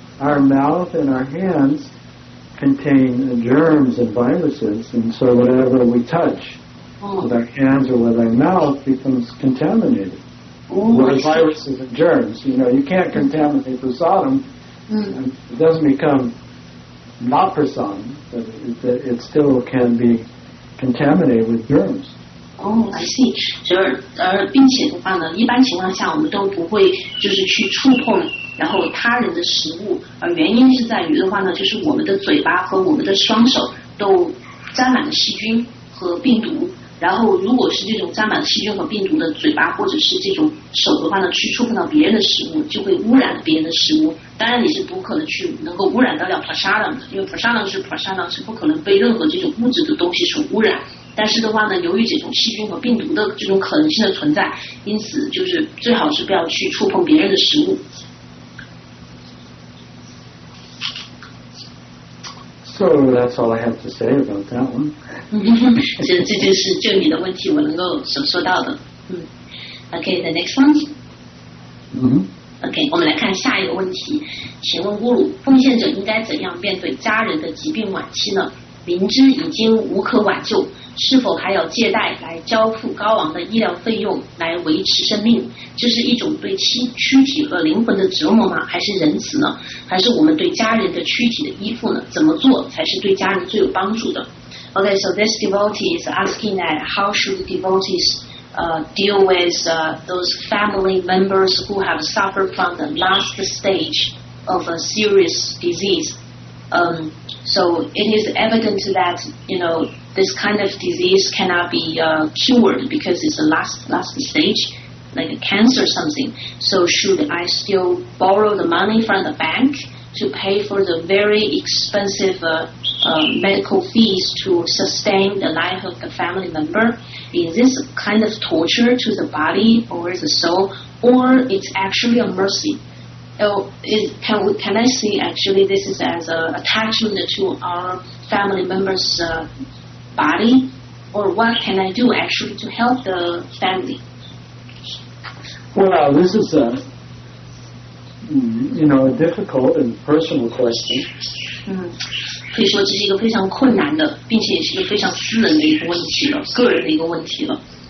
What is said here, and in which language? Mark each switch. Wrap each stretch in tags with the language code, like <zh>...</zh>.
<en>Our mouth and our hands contain germs and viruses, and so whatever we touch,with our hands or with our mouth becomes contaminated. With viruses and germs, you know, you can't contaminate prasadam. It doesn't become not prasadam, but it still can be contaminated with germs. Oh, I see.</en> <zh>并且的话呢，一般情况下我们都不会就是去触碰然后他人的食物，而原因是在于的话呢，就是我们的嘴巴和我们的双手都沾染了细菌和病毒。然后如果是这种沾满细菌和病毒的嘴巴或者是这种手的话呢，去触碰到别人的食物就会污染别人的食物，当然你是不可能去能够污染得了 prasadam 的，因为 prasadam 是不可能被任何这种物质的东西所污染，但是的话呢，由于这种细菌和病毒的这种可能性的存在，因此就是最好是不要去触碰别人的食物。</zh> <en>So that's all I have to say about that one.</en> <zh>这就是就你的问题我能够所说到的。</zh> <en>Okay, the next one. Okay,</en> <zh>我们来看下一个问题。请问咕噜，奉献者应该怎样面对家人的疾病晚期呢？明知已经无可挽救，是否还要借贷来交付高昂的医疗费用来维持生命？这是一种对躯体和灵魂的折磨吗？还是仁慈呢？还是我们对家人的躯体的依附呢？怎么做才是对家人最有帮助的？</zh> <en>Okay, so this devotee is asking that how should devotees deal with those family members who have suffered from the last stage of a serious disease. So it is evident that, you know, this kind of disease cannot be cured because it's the last stage, like a cancer or something. So should I still borrow the money from the bank to pay for the very expensive medical fees to sustain the life of the family member? Is this kind of torture to the body or the soul, or it's actually a mercy? Can I see actually this is as an attachment to our family member's body, or what can I do actually to help the family? Well, this is a, you know, a difficult and personal question.</en> <zh>可以说这是一个非常困难的，并且也是一个非常私人的一个问题了，个人的一个问题了。</zh>